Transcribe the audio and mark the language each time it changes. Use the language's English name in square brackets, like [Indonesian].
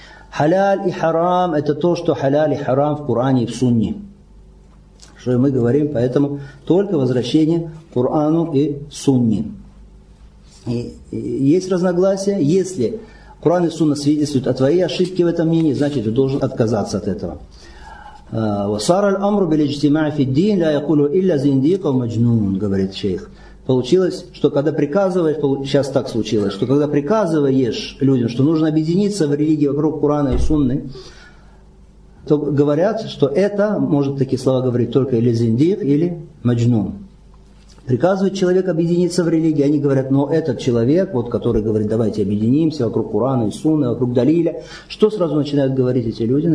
[Russian] Халяль и харам – это то, что халяль и харам в Коране и в Сунне. Что мы говорим, поэтому только возвращение к Корану и Сунне. И есть разногласия. Если Коран и Сунна свидетельствуют о твоей ошибке в этом мнении, значит, ты должен отказаться от этого. [Arabic] وصار الامر بالاجتماع في الدين لا يقول الا زنديق ومجنون [Russian] говорит шейх. Получилось, что когда приказываешь, сейчас так случилось, что когда приказываешь людям, что нужно объединиться в религии вокруг Корана и Сунны, то говорят, что это может такие слова говорить только или зиндик, или маджнун. Приказывает человек объединиться в религии, они говорят, но этот человек, вот, который говорит, давайте объединимся вокруг Корана и Сунны, вокруг Далиля, что сразу начинают говорить эти люди?